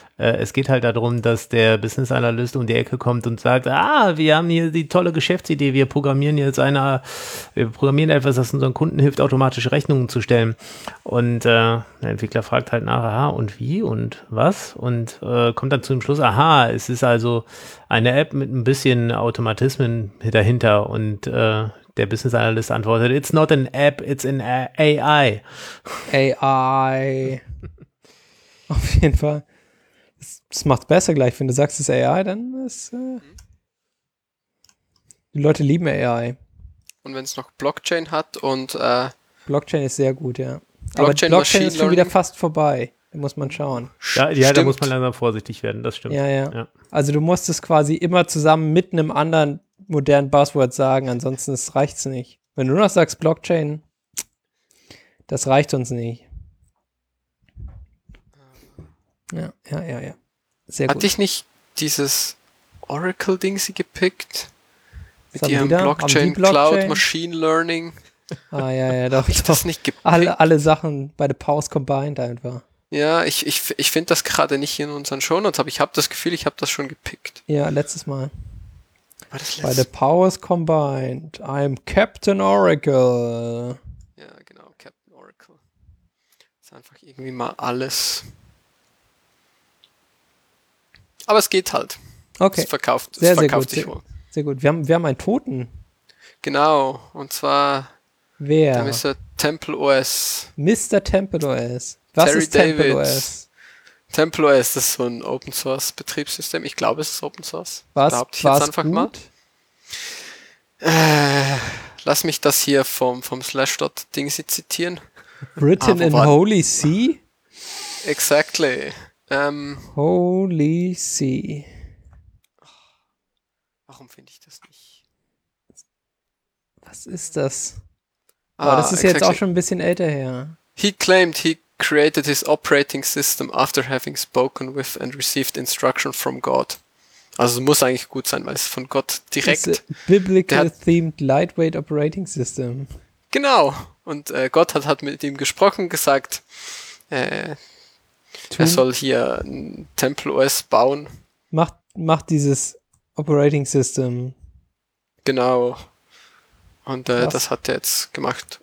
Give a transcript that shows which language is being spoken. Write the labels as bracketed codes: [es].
[de] Es geht halt darum, dass der Business Analyst um die Ecke kommt und sagt, wir haben hier die tolle Geschäftsidee, wir programmieren etwas, das unseren Kunden hilft, automatische Rechnungen zu stellen. Und der Entwickler fragt halt nach, und wie und was? Und kommt dann zu dem Schluss, es ist also eine App mit ein bisschen Automatismen dahinter. Und der Business Analyst antwortet, [en] it's not an app, it's an AI. [de] AI. Auf jeden Fall. Das macht es besser gleich, wenn du sagst, es ist AI, dann ist die Leute lieben AI. Und wenn es noch Blockchain hat und Blockchain ist sehr gut, ja. Blockchain, aber Blockchain ist schon wieder fast vorbei. Da muss man schauen. Da muss man langsam vorsichtig werden, das stimmt. Ja. Also du musst es quasi immer zusammen mit einem anderen modernen Buzzword sagen, ansonsten reicht es nicht. Wenn du noch sagst Blockchain, das reicht uns nicht. Ja. Sehr gut. Hatte ich nicht dieses Oracle-Ding sie gepickt? Mit ihrem Blockchain? Cloud, Machine Learning? Doch. Ich das nicht gepickt? Alle Sachen bei [en] The Powers combined [de] einfach. Ja, ich finde das gerade nicht in unseren Shownotes, aber ich habe das Gefühl, ich habe das schon gepickt. Ja, letztes Mal. [en] By the powers combined, I'm Captain Oracle. [de] Ja, genau, Captain Oracle. Ist einfach irgendwie mal alles. Aber es geht halt. Okay. Es verkauft sich wohl. Sehr gut. Wir haben einen Toten. Genau, und zwar. Wer? Mr. Temple OS. Mr. Temple OS. Was Terry ist Temple David. OS? Temple OS ist so ein Open Source Betriebssystem. Ich glaube, es ist Open Source. Was? Behaupte ich jetzt einfach mal. Lass mich das hier vom /.dingsy zitieren. [en] Written in Holy C? Exactly. Holy C. [de] Warum finde ich das nicht? Was ist das? Ah, das ist exactly. Jetzt auch schon ein bisschen älter her. [en] He claimed he created his operating system after having spoken with and received instruction from God. [de] Also es muss eigentlich gut sein, weil es von Gott direkt... [en] It's a biblical themed lightweight operating system. [de] Genau. Und Gott hat mit ihm gesprochen, gesagt, er soll hier ein TempelOS bauen. Macht dieses Operating System. Genau. Und das hat er jetzt gemacht.